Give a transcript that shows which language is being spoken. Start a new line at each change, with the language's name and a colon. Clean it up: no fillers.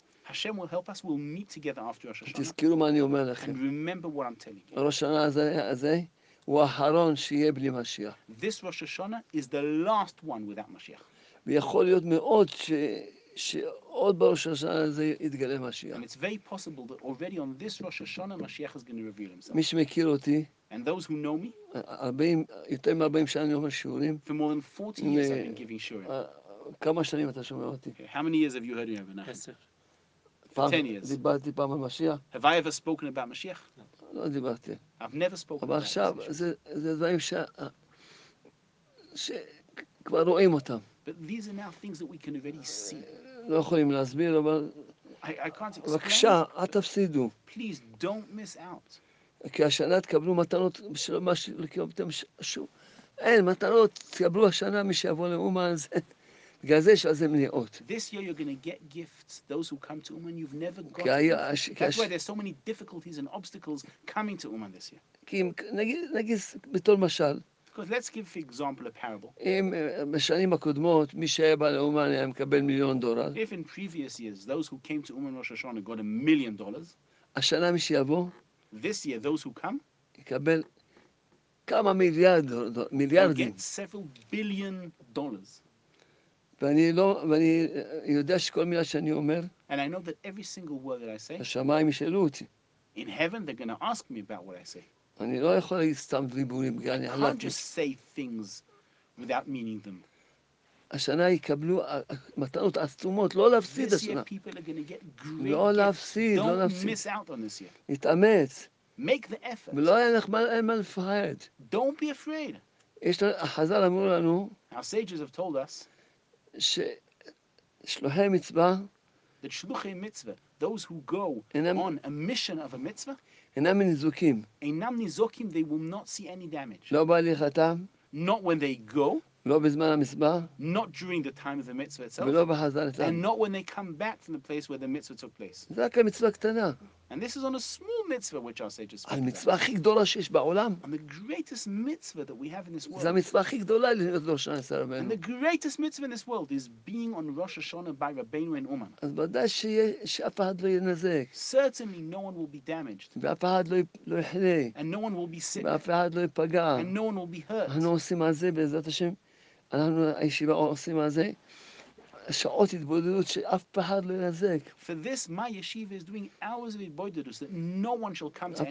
English: Hashem will help us. We'll meet together after Rosh Hashanah.
Hebrew: תזכרו מה אני אומר לכם.
English: And remember what I'm telling you.
Hebrew: Rosh Hashanah הזה הוא האחרון שיהיה בלי משיח.
English: This Rosh Hashanah is the last one without Mashiach.
Hebrew: ויכול להיות מאוד שעוד בראש השנה הזה יתגלה משיח.
English: And it's very possible that already on this Rosh Hashanah Mashiach is going to reveal himself.
Hebrew: מי שמכיר אותי.
English: And those who know me.
Hebrew: יותר מ-40 שנה אני אומר שיעורים.
English: For more than 40 years I've been giving shiurim.
Hebrew: כמה שנים אתה שומע אותי?
English: How many years have you heard me, Rabbi Nachman? Yes, sir. 10 years.
Hebrew: דיברתי פעם על משיח.
English: Have I ever spoken about Mashiach?
Hebrew: לא דיברתי.
English: I've never spoken about Mashiach.
Hebrew: אבל עכשיו זה דברים שכבר רואים אותם.
English: But these are now things that we can already see.
Hebrew: לא יכולים להסביר, אבל...
English: I can't explain.
Hebrew: בבקשה, אל תפסידו.
English: Please don't miss out.
Hebrew: כי השנה תקבלו מתנות של מה שקיבלתם שוב. אין, מתנות, תקבלו השנה מי שיבוא לאומן, זה... בגלל זה יש על זה מניעות.
English: This year you're going to get gifts, those who come to Uman, you've never got gifts. That's why there's so many difficulties and obstacles coming to Uman this year.
Hebrew: כי אם, נגיד, בתור משל,
English: Because let's give for example a parable.
Hebrew: אם בשנים הקודמות מי שהיה בא לאומן היה מקבל מיליון דולר.
English: If in previous years those who came to Uman Rosh Hashanah got $1 million.
Hebrew: השנה מי שיבוא.
English: This year those who come.
Hebrew: יקבל כמה מיליארד מיליארדים.
English: Get several billion dollars.
Hebrew: ואני יודע שכל מילה שאני אומר.
English: And I know that every single word that I say.
Hebrew: השמיים ישאלו אותי.
English: In heaven they're going to ask me about what I say.
Hebrew: אני לא יכול להגיד סתם דיבורים, כי אני הלכתי.
English: You can't just say things without meaning them.
Hebrew: השנה יקבלו מתנות עצומות, לא להפסיד השנה.
English: This year people are going to get great.
Hebrew: לא להפסיד, לא להפסיד.
English: Don't miss out on this year.
Hebrew: להתאמץ.
English: Make the effort.
Hebrew: ולא אין מה לפחד.
English: Don't be afraid.
Hebrew: יש לנו, החז"ל אמרו לנו.
English: Our sages have told us.
Hebrew: ששלוחי מצווה.
English: That
Hebrew: שלוחי מצווה,
English: those who go on a mission of a mitzvah.
Hebrew: אינם ניזוקים. אינם ניזוקים,
English: they will not see any damage.
Hebrew: לא בהליכתם.
English: Not when they go.
Hebrew: לא בזמן המצווה.
English: Not during the time of the mitzvah itself.
Hebrew: ולא בחזרתם.
English: And not when they come back from the place where the mitzvah took place.
Hebrew: זה רק המצווה קטנה.
English: And this is on a small mitzvah which our sages speak
Hebrew: על מצווה הכי גדולה שיש בעולם.
English: And the greatest mitzvah that we have in this world.
Hebrew: זה המצווה הכי גדולה להיות ראש השנה רבנו.
English: And the greatest mitzvah in this world is being on Rosh Hashanah by Rabbeinu and Uman.
Hebrew: אז בוודאי שאף אחד לא ינזק.
English: Certainly no one will be damaged.
Hebrew: ואף אחד לא יחלה.
English: And no one will be sick.
Hebrew: ואף אחד לא ייפגע.
English: And no one will be hurt.
Hebrew: אנחנו עושים על זה בעזרת השם. אנחנו הישיבה עושים על זה. שעות התבודדות שאף אחד לא ינזק.
English: For this, my yeshiva is doing hours of התבודדות that no one shall come to